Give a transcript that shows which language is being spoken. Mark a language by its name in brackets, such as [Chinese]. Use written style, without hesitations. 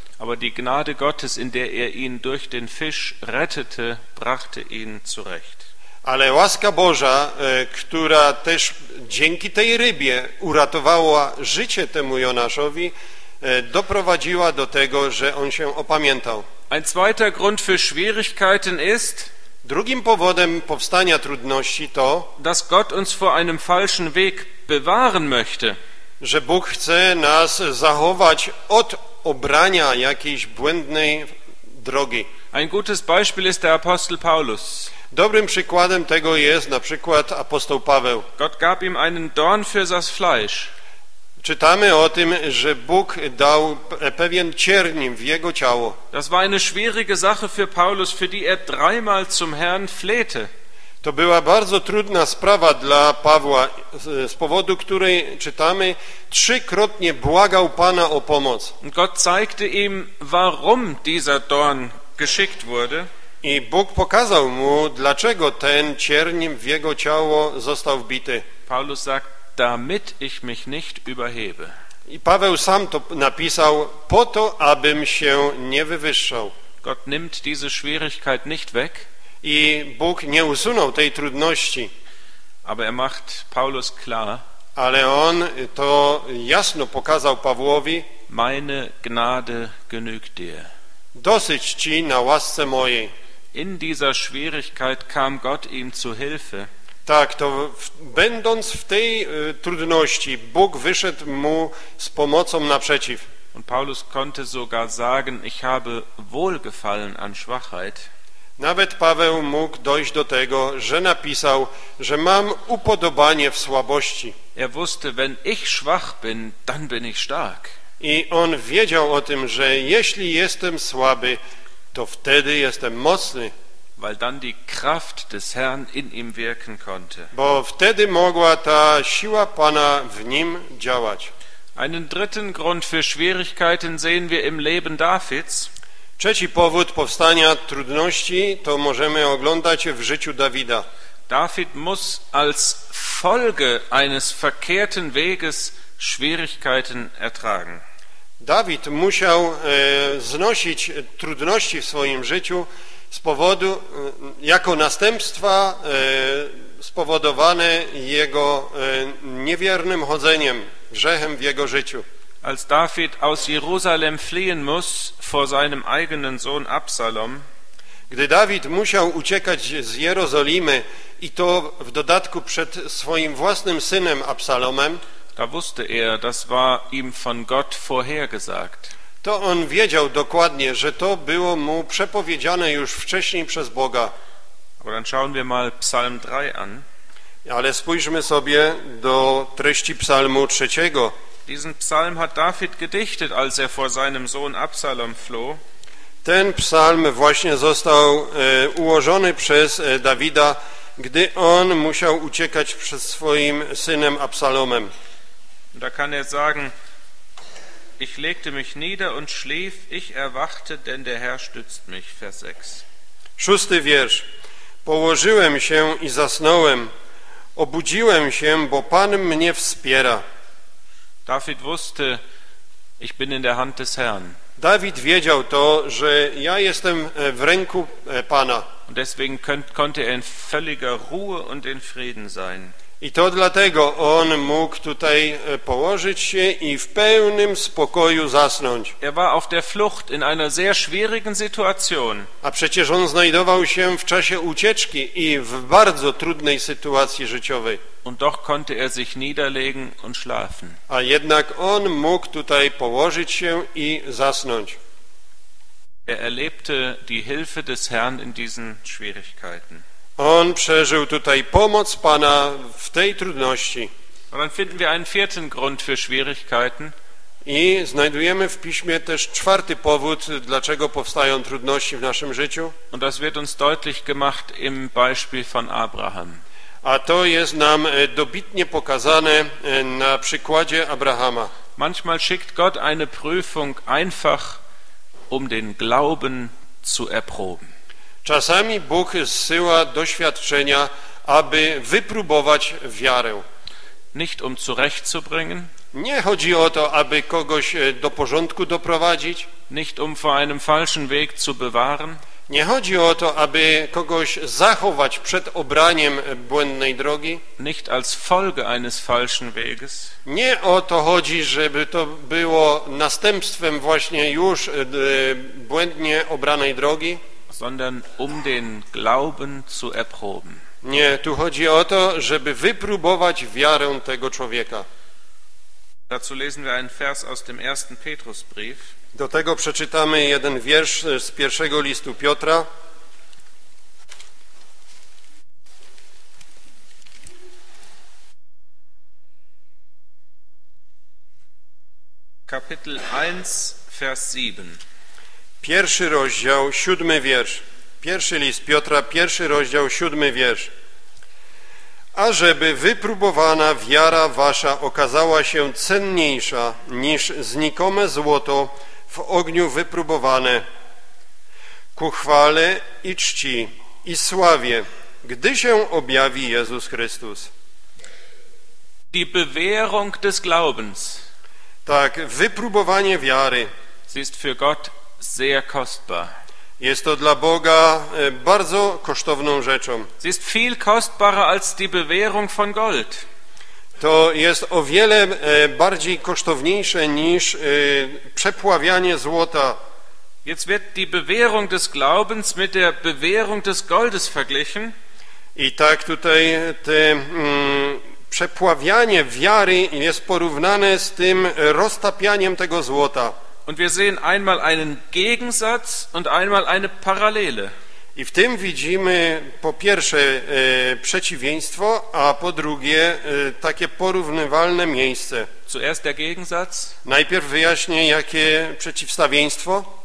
[German] Aber die Gnade Gottes, in der er ihn durch den Fisch rettete, brachte ihn zurecht. [Polish] Ale łaska Boża, która też dzięki tej rybie uratowała życie temu Jonaszowi, doprowadziła do tego, że on się opamiętał. [German] Ein zweiter Grund für Schwierigkeiten ist, [Polish] drugim powodem powstania trudności to, [German] dass Gott uns vor einem falschen Weg bewahren möchte. [Polish] Że Bóg chce nas zachować od obrania jakiejś błędnej drogi. [German] Ein gutes Beispiel ist der Apostel Paulus. [Polish] Dobrym przykładem tego jest na przykład apostoł Paweł. [German] Gott gab ihm einen Dorn für das Fleisch. [Polish] Czytamy o tym, że Bóg dał pewien cierń w jego ciało. [German] Das war eine schwierige Sache für Paulus, für die er dreimal zum Herrn flehte. [Polish] To była bardzo trudna sprawa dla Pawła, z powodu której czytamy, trzykrotnie błagał Pana o pomoc. [German] Gott zeigte ihm, warum dieser Dorn geschickt wurde. [Polish] I Bóg pokazał mu, dlaczego ten cierń w jego ciało został wbity. [German] Paulus sagt, damit ich mich nicht überhebe. [Polish] I Paweł sam to napisał, po to, abym się nie wywyższał. [German] Gott nimmt diese Schwierigkeit nicht weg. [Polish] I Bóg nie usunął tej trudności. [German] Aber er macht Paulus klar, [Polish] ale on to jasno pokazał Pawłowi, [German] meine Gnade genügt dir. [Polish] Dosyć ci na łasce mojej. [German] In dieser Schwierigkeit kam Gott ihm zu Hilfe. [Polish] Tak, to będąc w tej trudności, Bóg wyszedł mu z pomocą naprzeciw. [German] Und Paulus konnte sogar sagen, ich habe wohlgefallen an Schwachheit. [Polish] Nawet Paweł mógł dojść do tego, że napisał, że mam upodobanie w słabości. [German] Er wusste, wenn ich schwach bin, dann bin ich stark. [Polish] I on wiedział o tym, że jeśli jestem słaby, to wtedy jestem mocny. [German] Weil dann die Kraft des Herrn in ihm wirken konnte. [Polish] Bo wtedy mogła ta siła Pana w nim działać. [German] Einen dritten Grund für Schwierigkeiten sehen wir im Leben Davids. [Polish] Trzeci powód powstania trudności to możemy oglądać w życiu Dawida. [German] David muss als Folge eines verkehrten Weges Schwierigkeiten ertragen. [Polish] Dawid musiał znosić trudności w swoim życiu z powodu, jako następstwa spowodowane jego niewiernym chodzeniem, grzechem w jego życiu. [German] Als David aus Jerusalem fliehen muss vor seinem eigenen Sohn Absalom. [Polish] Gdy Dawid musiał uciekać z Jerozolimy i to w dodatku przed swoim własnym synem Absalomem. [German] Da wusste er, das war ihm von Gott vorhergesagt. [Polish] To on wiedział dokładnie, że to było mu przepowiedziane już wcześniej przez Boga. [German] Aber dann schauen wir mal Psalm 3 an. [Polish] Ale spójrzmy sobie do treści Psalmu 3. [German] Diesen Psalm hat David gedichtet, als er vor seinem Sohn Absalom floh. [Polish] Ten Psalm właśnie został ułożony przez Dawida, gdy on musiał uciekać przed swoim synem Absalomem. [German] Da kann er sagen: Ich legte mich nieder und schlief, ich erwachte, denn der Herr stützt mich. Vers 6. [Polish] Szósty wiersz. Położyłem się i zasnąłem. Obudziłem się, bo Pan mnie wspiera. [German] David wusste, ich bin in der Hand des Herrn. [Polish] Dawid wiedział to, że ja jestem w ręku Pana. [German] Und deswegen konnte er in völliger Ruhe und in Frieden sein. [Polish] I to dlatego on mógł tutaj położyć się i w pełnym spokoju zasnąć. [German] Er war auf der Flucht in einer sehr schwierigen Situation. [Polish] A przecież on znajdował się w czasie ucieczki i w bardzo trudnej sytuacji życiowej. [German] Und doch konnte er sich niederlegen und schlafen. [Polish] A jednak on mógł tutaj położyć się i zasnąć. [German] Er erlebte die Hilfe des Herrn in diesen Schwierigkeiten. [Polish] On przeżył tutaj pomoc Pana w tej trudności. [German] Und dann finden wir einen vierten Grund für Schwierigkeiten. [Polish] I znajdujemy w Piśmie też czwarty powód, dlaczego powstają trudności w naszym życiu. [German] Und das wird uns deutlich gemacht im Beispiel von Abraham. [Polish] A to jest nam dobitnie pokazane na przykładzie Abrahama. [German] Manchmal schickt Gott eine Prüfung einfach, um den Glauben zu erproben. [Polish] Czasami Bóg zsyła doświadczenia, aby wypróbować wiarę. [German] Nicht um zurechtzubringen. [Polish] Nie chodzi o to, aby kogoś do porządku doprowadzić. [German] Nicht um vor einem falschen Weg zu bewahren. [Polish] Nie chodzi o to, aby kogoś zachować przed obraniem błędnej drogi. [German] Nicht als Folge eines falschen Weges. [Polish] Nie o to chodzi, żeby to było następstwem właśnie już błędnie obranej drogi. [German] Sondern um den Glauben zu erproben. [Polish] Nie, tu chodzi o to, żeby wypróbować wiarę tego człowieka. [German] Dazu lesen wir einen Vers aus dem ersten Petrusbrief. [Polish] Do tego przeczytamy jeden wiersz z pierwszego listu Piotra. [German] Kapitel 1, Vers 7. [Polish] Pierwszy rozdział, siódmy wiersz. Pierwszy list Piotra, pierwszy rozdział, siódmy wiersz. ażeby wypróbowana wiara wasza okazała się cenniejsza niż znikome złoto w ogniu wypróbowane, ku chwale i czci i sławie, gdy się objawi Jezus Chrystus. [German] Die Bewährung des Glaubens. [Polish] Tak, wypróbowanie wiary. [German] Sie ist für Gott sehr kostbar. [Polish] Jest to dla Boga bardzo kosztowną rzeczą. [German] Sie ist viel kostbarer als die Bewährung von Gold. [Polish] To jest o wiele bardziej kosztowniejsze niż przepławianie złota. [German] Jetzt wird die Bewährung des Glaubens mit der Bewährung des Goldes verglichen. [Polish] I tak tutaj te przepławianie wiary jest porównane z tym roztapianiem tego złota. [German] Und wir sehen einmal einen Gegensatz und einmal eine Parallele. [Polish] I w tym widzimy po pierwsze przeciwieństwo, a po drugie takie porównywalne miejsce. [German] Zuerst der Gegensatz. [Polish] Najpierw wyjaśnię, jakie przeciwstawieństwo.